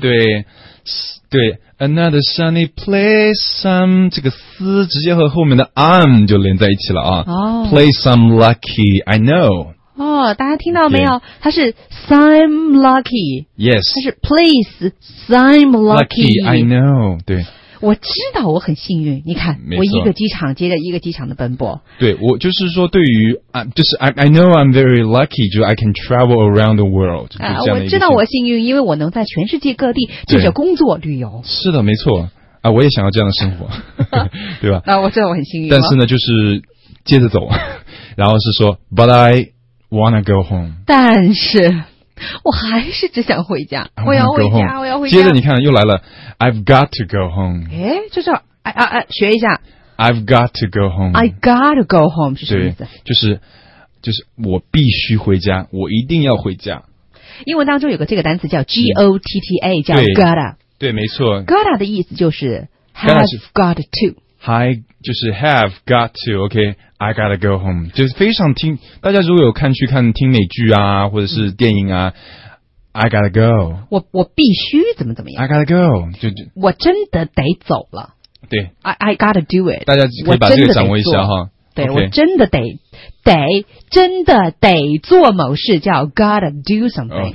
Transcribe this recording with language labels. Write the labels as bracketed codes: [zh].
[zh] 对 [en] Another sunny place I'm [zh] 这个思直接和后面的 I'm 就连在一起了啊、哦、 [en] Place I'm lucky I know [zh] 哦，大家听到没有、okay. [en] 它是 I'm lucky Yes 它是 place I'm lucky I know 对， [zh] 我知道我很幸运，你看我一个机场接着一个机场的奔波， [en] 对， [zh] 我就是说对于、 [en] 就是 I know I'm very lucky 就 I can travel around the world、 [zh] 啊、我知道我幸运，因为我能在全世界各地接着工作旅游，是的，没错啊，我也想要这样的生活对吧，那、啊、我知道我很幸运，但是呢就是接着走然后是说 [en] But I wanna go home， [zh] 但是我还是只想回家，我要回家，我要回家。接着你看又来了 ， [en] I've got to go home。 [zh] 哎，就是学一下 [en] ，I've got to go home。 I got to go home 是什么意思？ [zh] 就是我必须回家，我一定要回家。英文当中有个这个单词叫 gotta， 叫 gotta。对，没错。 gotta 的意思就是 [en] have got to. I 就是 have got to, okay, I gotta go home. [zh] 就是非常听，大家如果有看去看听美剧啊，或者是电影啊、嗯、 [en] I gotta go. [zh] 我必须怎么怎么样。 [en] I gotta go. 就 [zh] 我真的得走了。对。 [en] I gotta do it. [zh] 大家可以把这个掌握一下哈。对、 [en] okay. [zh] 我真的得真的得做某事叫 gotta do something.